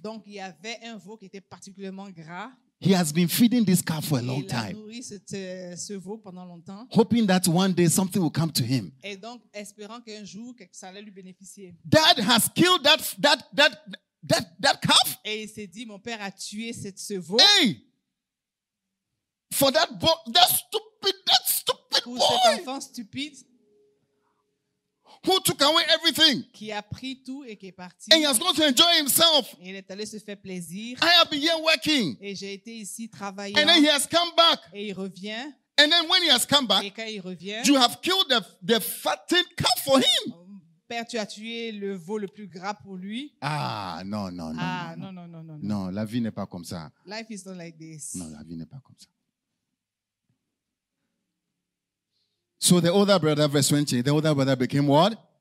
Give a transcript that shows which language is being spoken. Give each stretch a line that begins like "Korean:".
French: Donc, il y avait un veau qui était particulièrement gras.
English: He has been feeding this calf for a long time.
French: Il a nourri ce veau pendant longtemps.
English: Hoping that one day something will come to him.
French: Et donc espérant qu'un jour que ça allait lui bénéficier.
English: Dad has killed that calf.
French: Et il s'est dit, mon père a tué ce veau.
English: Hey, for that stupid
French: pour
English: boy.
French: Pour cet enfant stupide.
English: Who took away everything?
French: Qui a pris tout et qui est parti.
English: And he has gone to enjoy himself.
French: Il est allé se faire plaisir.
English: I have been here working.
French: Et j'ai été ici travaillant.
English: And then he has come back.
French: Et il revient.
English: And then when he has come back,
French: et quand il revient,
English: you have killed the fattened calf for him.
French: Père, tu as tué le veau le plus gras pour lui. Non, la vie n'est pas comme ça.
English: Life is not like this.
French: Non, la vie n'est pas comme ça.
English: So the older brother, verse 20, the older brother became what?